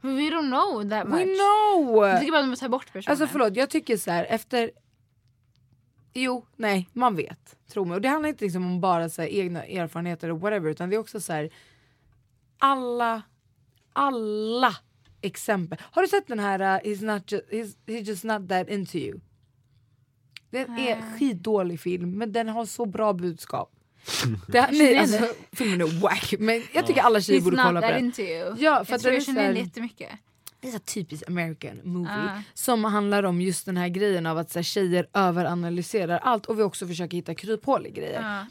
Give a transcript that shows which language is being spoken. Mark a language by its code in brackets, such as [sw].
[en] We don't know that much. We know. [sv] Jag tycker bara att man tar bort personen. Alltså förlåt, jag tycker så här, efter jo, nej, man vet, tro mig. Och det handlar inte liksom om bara så här, egna erfarenheter och whatever, utan det är också så här alla exempel. Har du sett den här [en] he's just not that into you? [sv] Den är skitdålig film, men den har så bra budskap. Det här, nej, alltså, filmen är whack, men jag tycker alla tjejer borde kolla på den. [en] He's not that into you. [sv] Ja, för jag tror jag känner in jättemycket. Det är en typisk [en] American movie [sv] som handlar om just den här grejen av att så här, tjejer överanalyserar allt och vi också försöker hitta kryphål i grejer.